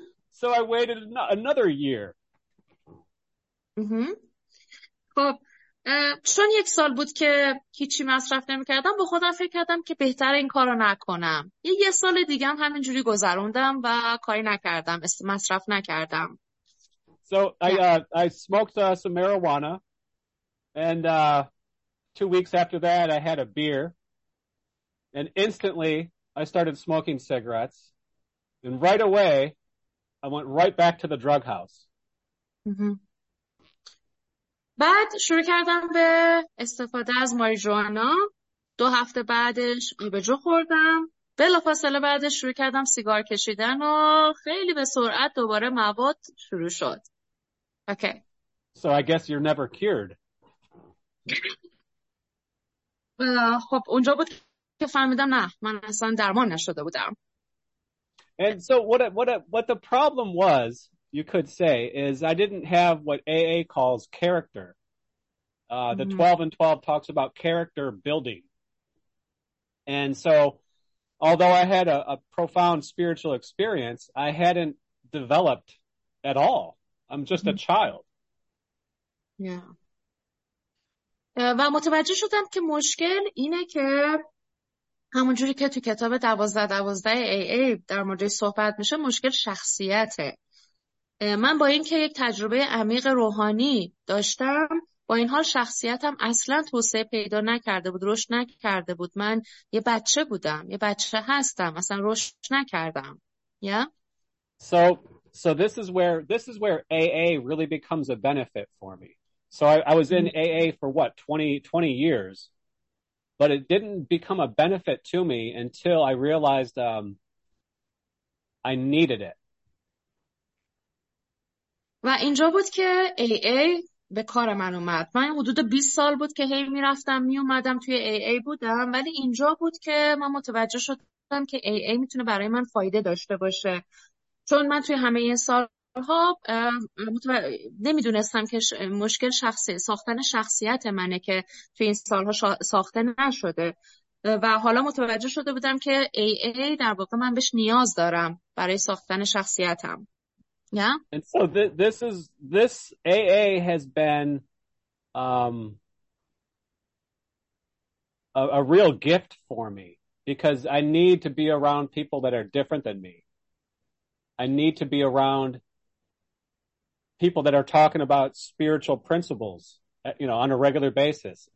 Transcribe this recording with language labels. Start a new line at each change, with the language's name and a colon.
English: So I waited another year.
Persian: خب چون یک سال بود که هیچی مصرف نمی کردم، با خودم فکر کردم که بهتر این کار رو نکنم. یه سال دیگه هم همینجوری گذروندم و کاری نکردم، مصرف نکردم.
English: So I smoked some marijuana, and 2 weeks after that I had a beer, and instantly I started smoking cigarettes, and right away I went right back to the drug house.
Persian: بعد شروع کردم به استفاده از ماریجوانا. 2 هفته بعدش ایبجو خوردم. بلافاصله بعدش شروع کردم سیگار کشیدن و خیلی به سرعت دوباره مواد شروع شد.
English: Okay. So I guess you're never cured.
Persian: خب اونجا بود که فهمیدم نه، من اصلا درمان نشده بودم.
English: And so what the problem was, you could say, is I didn't have what AA calls character. The 12 and 12 talks about character building. And so, although I had a profound spiritual experience, I hadn't developed at all. I'm just a child. Yeah.
Persian: و متوجه شدم که مشکل اینه که همون جوری که تو کتاب 12-12 AA در مورد صحبت میشه، مشکل شخصیته. من با این که یک تجربه عمیق روحانی داشتم، با این حال شخصیتم اصلا توسعه پیدا نکرده بود، رشد نکرده بود. من یه بچه بودم، یه بچه هستم، اصلا رشد نکردم.
English: Yeah? So this is where AA really becomes a benefit for me. So I was in AA for what, 20 years, but it didn't become a benefit to me until I realized I needed it.
Persian: و اینجا بود که AA به کار من اومد. من حدود 20 سال بود که هی میرفتم میومدم توی AA بودم، ولی اینجا بود که من متوجه شدم که AA میتونه برای من فایده داشته باشه، چون من توی همه این سالها نمیدونستم که مشکل شخصی ساختن شخصیت منه که توی این سالها ساخته نشده، و حالا متوجه شده بودم که AA در واقع من بهش نیاز دارم برای ساختن شخصیتم.
English: Yeah. And so this AA has been a real gift for me, because I need to be around people that are different than me. I need to be around people that are talking about spiritual principles, you know, on a regular basis.